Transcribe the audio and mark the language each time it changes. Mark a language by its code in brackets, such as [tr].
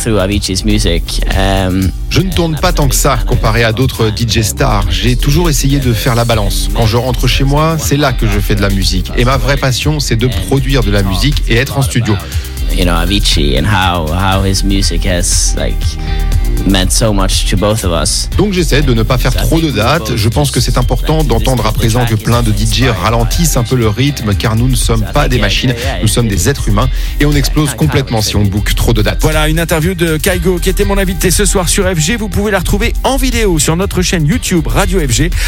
[fr] Je ne tourne pas tant que ça comparé à d'autres DJ stars. J'ai toujours essayé de faire la balance. Quand je rentre chez moi, c'est là que je fais de la musique. Et ma vraie passion, c'est de produire de la musique et être en studio. [en] You know, Avicii and how his music has like meant so much to both of us. [fr] Donc j'essaie de ne pas faire trop de dates. Je pense que c'est important d'entendre à présent que plein de DJ ralentissent un peu le rythme car nous ne sommes pas des machines, nous sommes des êtres humains et on explose complètement si on book trop de dates. Voilà, une interview de Kygo qui était mon invité ce soir sur FG. Vous pouvez la retrouver en vidéo sur notre chaîne YouTube Radio FG.